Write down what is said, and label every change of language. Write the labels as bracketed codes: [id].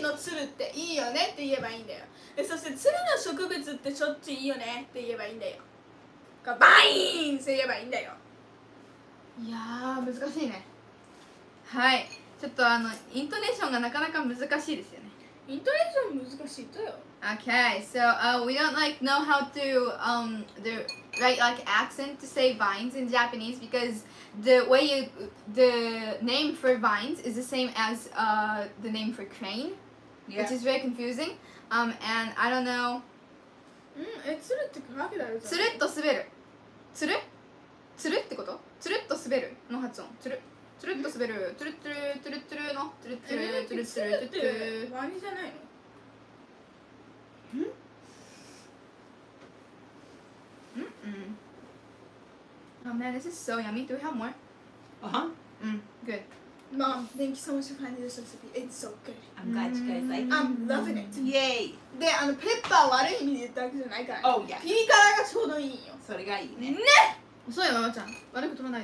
[ja] のつるっていいよねって言えばいいんだよ。で、そしてつるの植物ってしょっちゅういいよねって言えばいいんだよ。バインって言えばいいんだよ。いやー難しいね。はい、ちょっとイントネーションがなかなか難しいですよね。イントネーション難しいとよ。 [en] Okay, so we don't like know how to write like accent to say vines in Japanese because the name for vines is the same as the name for crane, yeah, which is very confusing. And I don't know. [ja] つるって書くわけだよ。つるっと滑る。つる？つるってこと？つるっと滑るの発音。つる。つるっと滑る。つるつるつるつるの。つるつるつるつるつる。ワニじゃないの？ん？ん？ん？ [en] Oh man, this is so yummy. Do we have more? Uh-huh. Mm, good. Mom, thank you so much for finding this recipe. It's so good. I'm glad you guys like it. I'm loving it. Yay! [ja] で、あの、ペッパー悪い意味で言ったわけじゃないから。 [en] Oh, yeah. [ja] ピリ辛がちょうどいいよ。それがいいね。ね！そうよ、ママちゃん。悪く取らない